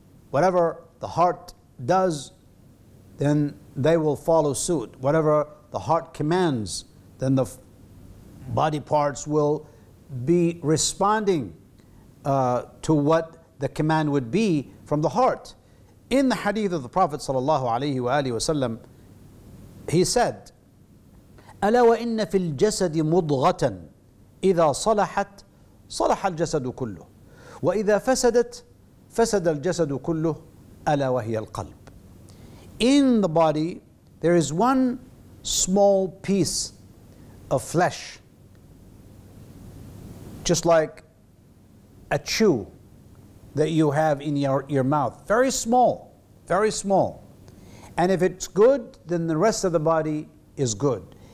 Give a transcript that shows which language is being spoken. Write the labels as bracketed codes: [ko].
[en] Whatever the heart does, then they will follow suit. Whatever the heart commands, then the body parts will be responding to what the command would be from the heart. In the hadith of the Prophet sallallahu alaihi wa alihi wasallam, he said, [ar] أَلَا وَإِنَّ فِي الْجَسَدِ مُضْغَةً إِذَا صَلَحَتْ صَلَحَ الْجَسَدُ كُلُّهُ وَإِذَا فَسَدَتْ فَسَدَ الْجَسَدُ كُلُّهُ أَلَا وَهِيَ الْقَلْبِ. [en] In the body, there is one small piece of flesh, just like a chew that you have in your mouth. Very small, very small. And if it's good, then the rest of the body is good.